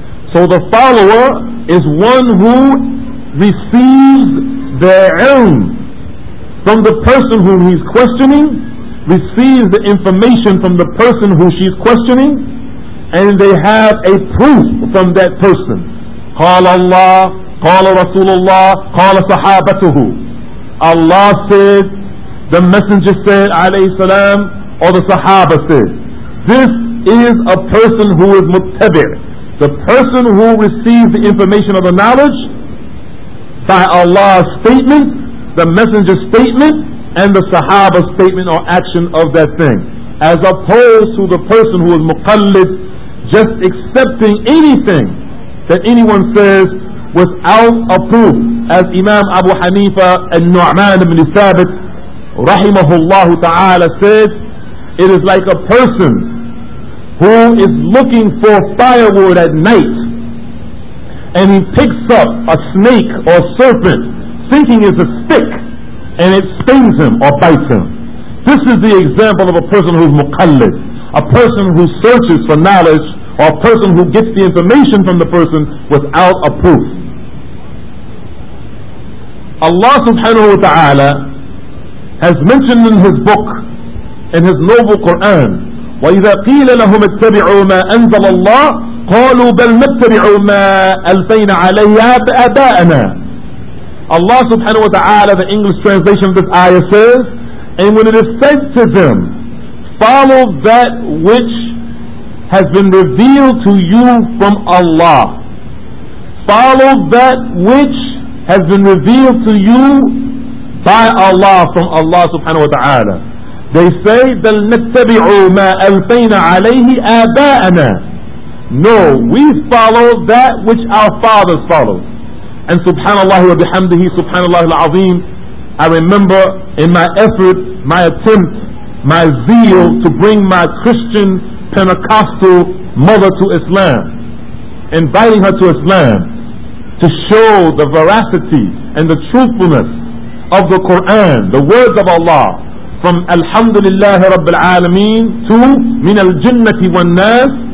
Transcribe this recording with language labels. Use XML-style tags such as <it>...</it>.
<en>So the follower is one who receives their ilm from the person whom he's questioning, receives the information from the person who she's questioning, and they have a proof from that person.</en> <ar>قال الله قال رسول الله قال صحابته.</ar> <en>Allah said, the messenger said alayhi salam, or the sahaba said. This is a person who is muttabir. The person who receives the information of the knowledge by Allah's statement, the messenger's statement, and the sahaba's statement or action of that thing. As opposed to the person who is muqallid, just accepting anything that anyone says without a proof. As Imam Abu Hanifa al-Nu'man ibn Thabit rahimahullahu ta'ala said, it is like a person who is looking for firewood at night, and he picks up a snake or serpent thinking it's a stick, and it stings him or bites him. This is the example of a person who's muqallid, a person who searches for knowledge, or a person who gets the information from the person without a proof. Allah subhanahu wa ta'ala has mentioned in His book, in His noble Quran,</en> <ar>وَإِذَا قِيلَ لَهُمْ اتَّبِعُوا مَا أَنزَلَ اللَّهُ قَالُوا بَلْ نَتَّبِعُوا مَا أَلْفَيْنَ عَلَيْهَا بَآبَاءَنَا.</ar> <en>Allah subhanahu wa ta'ala, the English translation of this ayah says, and when it is said to them, follow that which has been revealed to you from Allah. Follow that which has been revealed to you by Allah, from Allah subhanahu wa ta'ala. They say,</en> <ar>بَلْ نَتَّبِعُوا مَا أَلْفَيْنَ عَلَيْهِ آبَاءَنَا.</ar> <en>No, we follow that which our fathers followed. And subhanallah wa bihamdihi, subhanallah al-azim, I remember in my effort, my attempt, my zeal to bring my Christian Pentecostal mother to Islam, inviting her to Islam to show the veracity and the truthfulness of the Quran, the words of Allah, from Alhamdulillahi Rabbil Alameen to Min al-Jinnati wan Nas.</en>